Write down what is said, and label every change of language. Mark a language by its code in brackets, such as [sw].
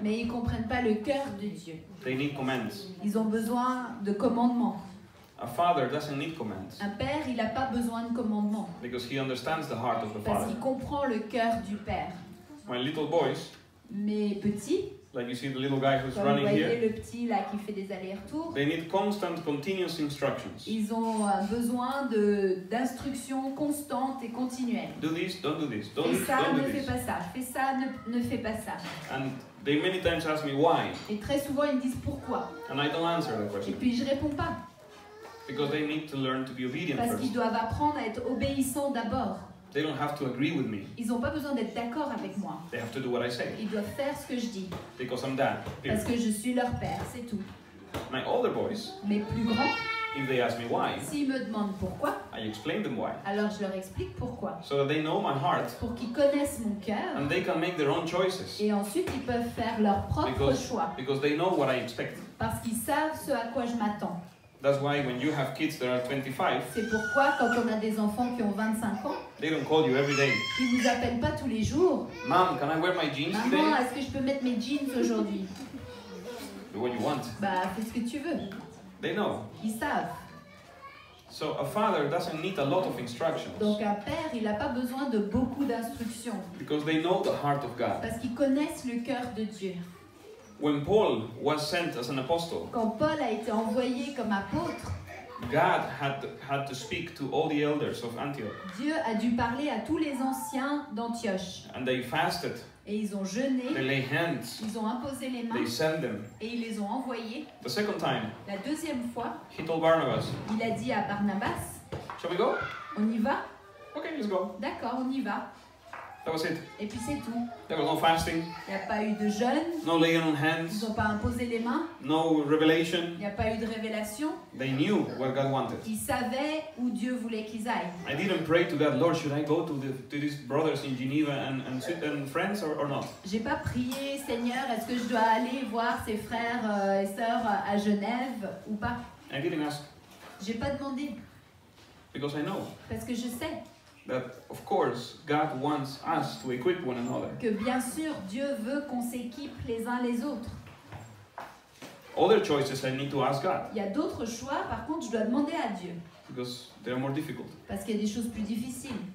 [fr] Mais ils comprennent pas le cœur de Dieu. [en] They need commands. [fr] Ils ont besoin de commandements. [en] A father doesn't need commands. [fr] Un père, il a pas besoin de commandements. [en] Because he understands the heart of the father. [fr] Parce qu'il comprend le cœur du père. [en] My little boys. [fr] Mes petits. [en] Like you see the little guy who's running here. [fr] Comme vous voyez le petit là qui fait des allers-retours. [en] They need constant, continuous instructions. [fr] Ils ont besoin d'instructions constantes et continuelles. [en] Do this, don't do this. Don't [fr] fais ça, [en] don't [fr] ne [en] do [fr] fais [en] this. [fr] Pas ça. Fais ça, ne fais pas ça. [en] And they many times ask me why. [fr] Et très souvent ils me disent pourquoi. [en] And I don't answer the question. [fr] Et puis je réponds pas. [en] Because they need to learn to be obedient. [fr] Parce [en] first. [fr] Qu'ils doivent apprendre à être obéissants d'abord. [en] They don't have to agree with me. [fr] Ils n'ont pas besoin d'être d'accord avec moi. [en] They have to do what I say. [fr] Ils doivent faire ce que je dis. [en] Because I'm dad. [fr] Parce que je suis leur père, c'est tout. [en] My older boys. [fr] Mes plus grands. [en] If they ask me why. [fr] S'ils me demandent pourquoi. [en] I explain them why. [fr] Alors je leur explique pourquoi. [en] So that they know my heart. [fr] Pour qu'ils connaissent mon cœur. [en] And they can make their own choices. [fr] Et ensuite ils peuvent faire leur propre choix. [en] Because they know what I expect. [fr] Parce qu'ils savent ce à quoi je m'attends. [en] That's why when you have kids that are 25, [fr] c'est pourquoi quand on a des enfants qui ont 25 ans, [en] they don't call you every day. [fr] Ils vous appellent pas tous les jours. [en] Mom, can I wear my jeans [fr] Maman, [en] today? [fr] Est-ce que je peux mettre mes jeans aujourd'hui? [en] Do what you want. [fr] Bah, fais ce que tu veux. [en] They know. [fr] Ils savent. [en] So a father doesn't need a lot of instructions. [fr] Donc un père, il a pas besoin de beaucoup d'instructions. [en] Because they know the heart of God. [fr] Parce qu'ils connaissent le cœur de Dieu. [en] When Paul was sent as an apostle. [fr] Quand Paul a été envoyé comme apôtre. [en] God had to speak to all the elders of Antioch. [fr] Dieu a dû parler à tous les anciens d'Antioche. [en] And they fasted. [fr] Et ils ont jeûné. [en] They laid hands. [fr] Ils ont imposé les mains. [en] They sent them. [fr] Et ils les ont envoyés. [en] The second time. [fr] La deuxième fois. [en] He told Barnabas. [fr] Il a dit à Barnabas. [en] Shall we go? [fr] On y va. [en] Okay, let's go. [fr] D'accord, on y va. [en] That was it. [fr] Et puis c'est tout. [en] There was no fasting. [fr] Il n'y a pas eu de jeûne. [en] No laying on hands. [fr] Ils n'ont pas imposé les mains. [en] No revelation. [fr] Il n'y a pas eu de révélation. [en] They knew what God wanted. [fr] Ils savaient où Dieu voulait qu'ils aillent. [en] I didn't pray to God, Lord, should I go to these brothers in Geneva and friends or not? [fr] J'ai pas prié, Seigneur, est-ce que je dois aller voir ces frères et sœurs à Genève ou pas? [en] I didn't ask. [fr] J'ai pas demandé. [en] Because I know. [fr] Parce que je sais. [en] That of course God wants us to equip one another. [fr] Que bien sûr Dieu veut qu'on s'équipe les uns les autres. [en] Other choices I need to ask God. [fr] Il y a d'autres choix par contre je dois demander à Dieu. [en] Because they are more difficult. [fr] Parce qu'il y a des choses plus difficiles.